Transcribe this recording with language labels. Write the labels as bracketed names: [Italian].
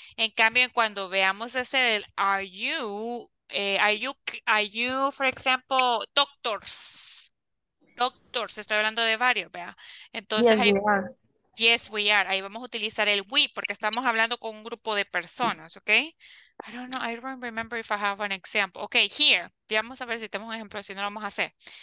[Spanish] En cambio, cuando veamos ese del [English] are you, for example, doctors. [Spanish] Doctors, estoy hablando de varios, ¿vea? Entonces, [English] yes, we are. [Spanish] Ahí vamos a utilizar el we porque estamos hablando con un grupo de personas, ¿ok? [English] I don't remember if I have an example. Ok, here. [Spanish] Vamos a ver si tenemos un ejemplo, si no lo vamos a hacer.